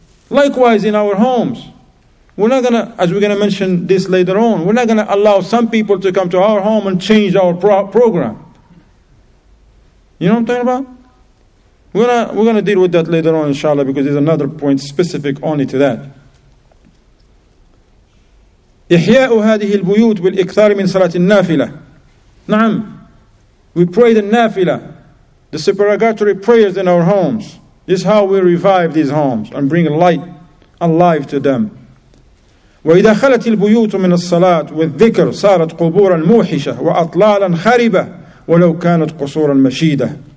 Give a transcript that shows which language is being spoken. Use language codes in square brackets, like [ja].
[en] Likewise, in our homes, we're not going to, as we're going to mention this later on, we're not going to allow some people to come to our home and change our program. You know what I'm talking about? We're going to deal with that later on, inshallah, because there's another point specific only to that. [ar] إحياء هذه البيوت بالإكثار من صلاة النافلة. نعم. [en] We pray the nafila, the supererogatory prayers in our homes. This is how we revive these homes and bring light and life to them. [ar] وإذا خلت البيوت من الصلاة والذكر صارت قبورا موحشة وأطلالا خربة ولو كانت قصورا مشيدة.